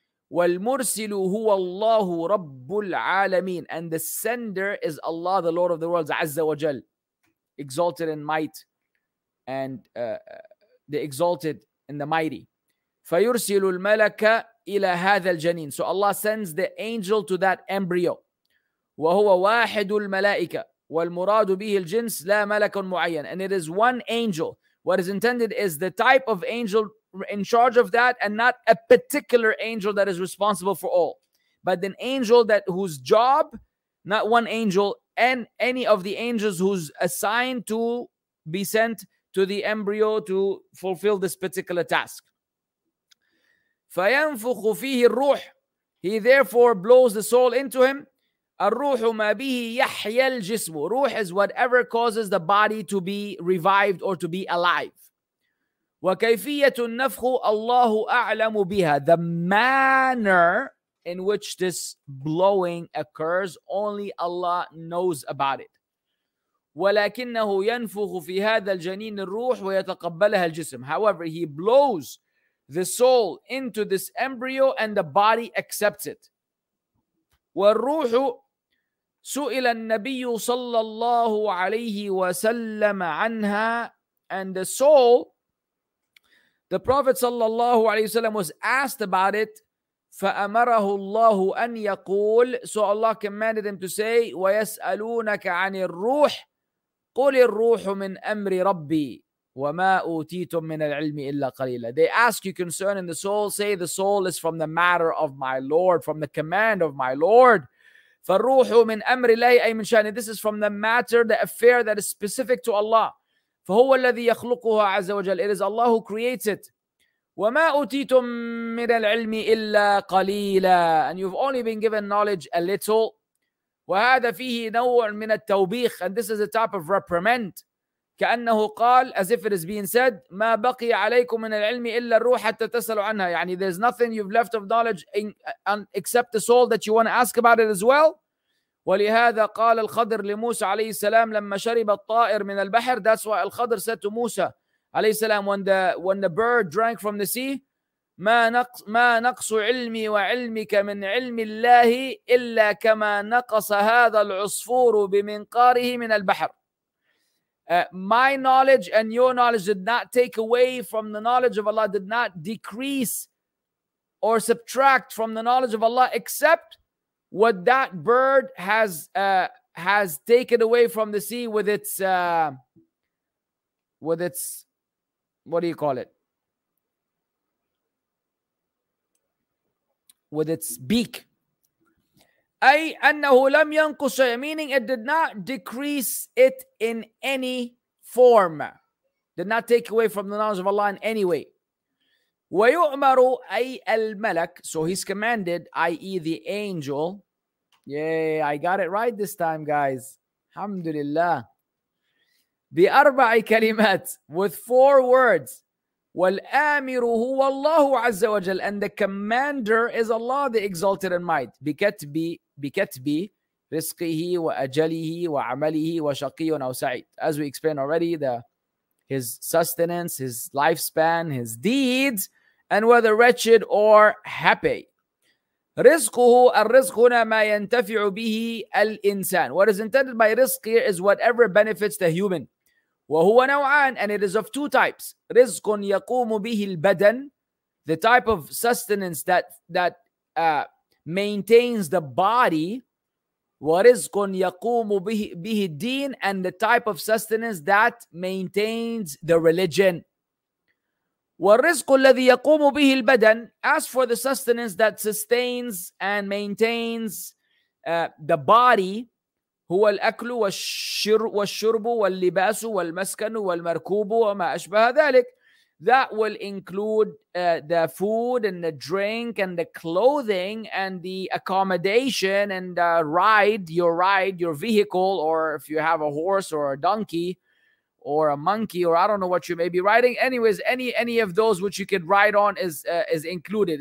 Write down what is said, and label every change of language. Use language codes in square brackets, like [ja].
[ar] والمرسل هو الله رب العالمين. [en] And the sender is Allah, the Lord of the worlds, عز وجل. Exalted in might. And the exalted in the mighty. [ar] فيرسل الملك إلى هذا الجنين. [en] So Allah sends the angel to that embryo. [ar] وهو واحد الملائكة. والمراد به الجنس لا ملك معين. [en] And it is one angel. What is intended is the type of angel in charge of that, and not a particular angel that is responsible for all, but an angel that whose job, not one angel, and any of the angels who's assigned to be sent to the embryo to fulfill this particular task. [ar] فينفخ فيه الروح. [en] He therefore blows the soul into him. [ar] الروح ما به يحيى الجسم. [en] Ruh is whatever causes the body to be revived or to be alive. [ar] وكيفية النفخ الله أعلم بها. [en] The manner in which this blowing occurs, only Allah knows about it. [ar] ولكنه ينفخ في هذا الجنين الروح ويتقبلها الجسم. [en] However, he blows the soul into this embryo and the body accepts it. [ar] والروح سئل النبي صلى الله عليه وسلم عنها. [en] And the soul, the Prophet صلى الله عليه وسلم was asked about it. [ar] فأمره الله أن يقول. [en] So Allah commanded him to say, [ar] ويسألونك عن الروح قل الروح من أمر ربي وما أوتيتم من العلم إلا قليلا. [en] They ask you concerning the soul, say the soul is from the matter of my Lord, from the command of my Lord. [ar] فَالرُّوحُ مِنْ أَمْرِ لَيْ أَيْ مِنْ شَانِ. [en] This is from the matter, the affair that is specific to Allah. [ar] فَهُوَ الَّذِي يَخْلُقُهُ عَزَّ وَجَلِ. [en] It is Allah who creates it. [ar] وَمَا أُتِيتُمْ مِنَ الْعِلْمِ إِلَّا قَلِيلًا. [en] And you've only been given knowledge a little. [ar] وَهَذَا فِيهِ نَوْعٌ مِنَ التَّوْبِيخِ. [en] And this is a type of reprimand. [ar] كأنه قال, [en] as if it is being said, [ar] ما بقي عليكم من العلم إلا الروح حتى تسألوا عنها. [en] يعني there's nothing you've left of knowledge in, except the soul that you want to ask about it as well. [ar] ولهذا قال الخضر لموسى عليه السلام لما شرب الطائر من البحر, [en] that's why الخضر said to موسى عليه السلام when the bird drank from the sea, [ar] ما نقص علمي وعلمك من علم الله إلا كما نقص هذا العصفور بمنقاره من البحر. [en] My knowledge and your knowledge did not take away from the knowledge of Allah, did not decrease or subtract from the knowledge of Allah, except what that bird has taken away from the sea with its, what do you call it? With its beak. [ar] أي أنه لم ينقص, [en] meaning it did not decrease it in any form, did not take away from the knowledge of Allah in any way. [ar] ويؤمر أي الملك, [en] so he's commanded, i.e. the angel. Yay, I got it right this time, guys. [ar] الحمد لله. بأربع كلمات, [en] with four words. [ar] والآمر هو الله عز وجل, [en] and the commander is Allah, the exalted and might. [ar] بكتب رزقه وأجله وعمله وشقي أو سعيد. [en] As we explained already, his sustenance, his lifespan, his deeds, and whether wretched or happy. [ar] رزقه, الرزق هنا ما ينتفع به الإنسان. [en] What is intended by رزق here is whatever benefits the human. [ar] وهو نوعان, [en] and it is of two types. [ar] رزق يقوم به البدن, [en] the type of sustenance that maintains the body. [ar] ورزق يقوم به الدين, [en] and the type of sustenance that maintains the religion. [ar] والرزق الذي يقوم به البدن, [en] as for the sustenance that sustains and maintains the body, [ar] هو الأكل والشرب واللباس والمسكن والمركوب وما أشبه ذلك. [en] That will include the food and the drink and the clothing and the accommodation and your vehicle, or if you have a horse or a donkey or a monkey, or I don't know what you may be riding. Anyways, any of those which you could ride on is included.